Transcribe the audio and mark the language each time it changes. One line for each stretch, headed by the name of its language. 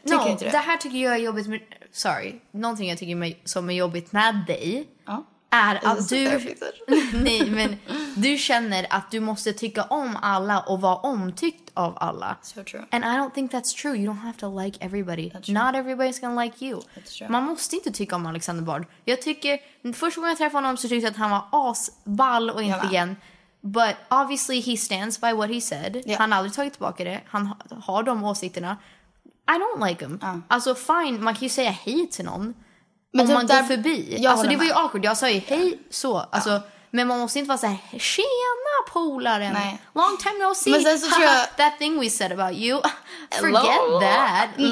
Swedish: No, det här tycker jag är jobbigt med, sorry, någonting jag tycker som är jobbigt med dig är att du nej, men du känner att du måste tycka om alla och vara omtyckt av alla.
English: So true. And I don't think that's true. You don't have to like everybody. Not everybody's gonna like you. That's true.
Swedish: Man måste inte tycka om Alexander Bard. Jag tycker, första gången jag träffade honom så tyckte jag att han var asball och inte igen.
English: But obviously he stands by what he said. Yeah.
Swedish: Han har aldrig tagit tillbaka det. Han har de åsikterna.
English: I don't like him.
Swedish: Alltså fine, man kan ju säga hej till någon. Men om man går förbi. Alltså det var ju awkward. Jag sa ju hej så. Alltså, men man måste inte vara så här, tjena polaren. Nej.
English: Long time no see.
Swedish: Men sen så tror jag,
English: that thing we said about you. Forget that.